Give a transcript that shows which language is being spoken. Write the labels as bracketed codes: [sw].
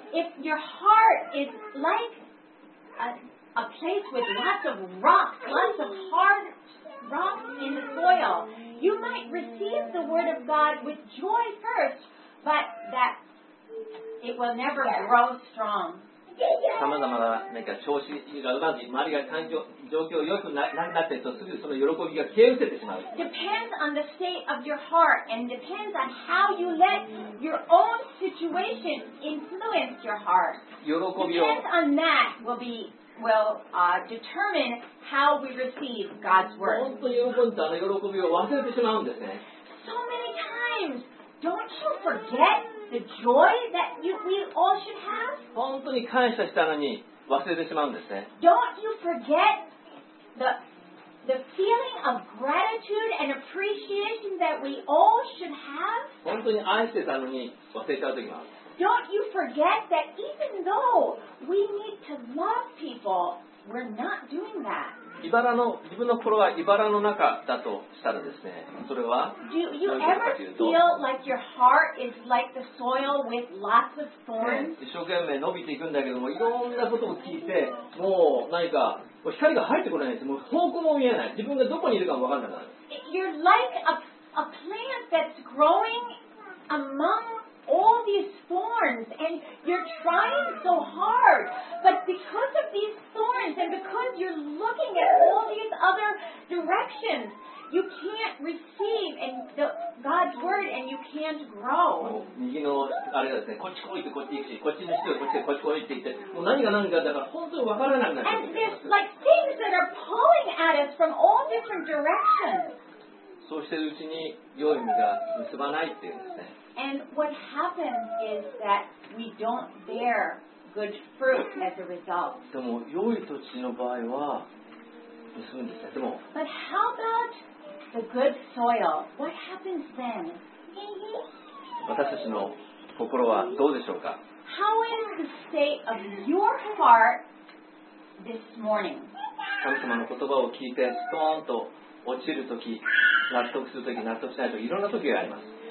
[en] If your heart is like a place with lots of rocks, lots of hard rocks in the soil, you might receive the word of God with joy first, but that it will never grow strong. [ja] さまざまな何か調子がまず周りが環境状況良くなくなってるとすぐその喜びが消え失せてしまう。 [en] Depends on the state of your heart and depends on how you let your own situation influence your heart. [ja] 喜びを。 [en] Depends on that will determine how we receive God's word. [ja] 本当に喜んだあの喜びを忘れてしまうんですね。 [en] So many times, don't you forget? The joy that we all should have? [ja] 本当に感謝したのに忘れてしまうんですね。 [en] Don't you forget the feeling of gratitude and appreciation that we all should have? [ja] 本当に愛してたのに忘れちゃうときもある。 [en] Don't you forget that even though we need to love people, we're not doing that? [ja] 自分の心は茨の中だとしたらですね、それは [en] Do you ever feel like your heart is like the soil with lots of thorns? [ja] 一生懸命伸びていくんだけども、いろんなことを聞いて、もう何か光が入ってこないんです。もう方向も見えない。自分がどこにいるかも分からなくなる。 [en] You're like a plant that's growing among all these thorns, and you're trying so hard, but because of these thorns, and because you're looking at all these other directions, you can't receive and the God's word, and you can't grow. [ja] 右のあれですね。こっち来いってこっち行くし、こっちにしてこっちでこっち来いって言って、もう何が何がだから本当にわからなくなる。 [en] And there's like things that are pulling at us from all different directions. [ja] そうしてるうちに良い実が結ばないっていうんですね。 [en] And what happens is that we don't bear good fruit as a result. [ja] でも良い土地の場合は結ぶんですね。でも。 [en] But how about the good soil? What happens then? [ja] 私たちの心はどうでしょうか? [en] How is the state of your heart this morning? [ja] 神様の言葉を聞いてストーンと落ちるとき、納得するとき、納得しないとき、いろんなときがあります。